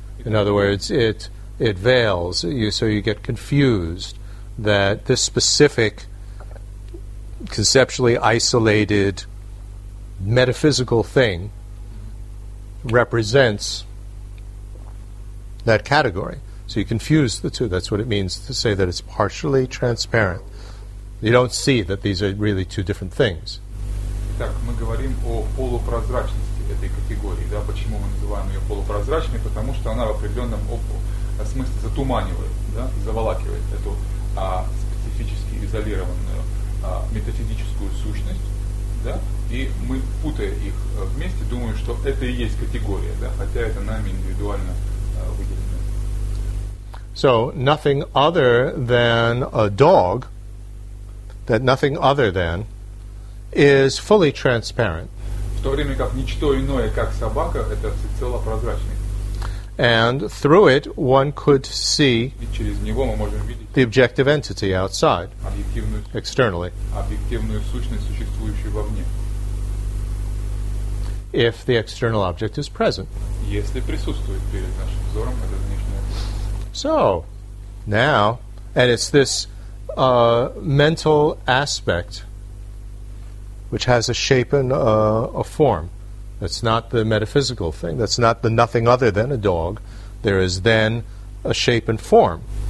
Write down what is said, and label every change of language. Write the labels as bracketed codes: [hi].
[en] In other words, it veils you, so you get confused that this specific, conceptually isolated, metaphysical thing represents that category. So you confuse the two. That's what it means to say that it's partially transparent. You don't see that these are really two different things. [ru] Итак, мы говорим о полупрозрачности этой категории. Да, почему мы называем ее полупрозрачной? Потому что она в определенном смысле затуманивает, да, заволакивает эту специфически изолированную метафизическую сущность. Да, и мы, путая их вместе, думаем, что это и есть категория, да, хотя это нами индивидуально выделено. [en] So nothing other than a dog, that nothing other than, is fully transparent. [ru] В то время как ничто иное, как собака, это всецело прозрачный. [en] And through it, one could see [ru] и через него мы можем видеть [en] the objective entity outside, [ru] объективную, [en] externally. [ru] Объективную сущность, существующую вовне. [en] If the external object is present. [ru] Если присутствует перед нашим взором, это значит. [en] So, now, and it's this mental aspect which has a shape and a form. That's not the metaphysical thing. That's not the nothing other than a dog. There is then a shape and form.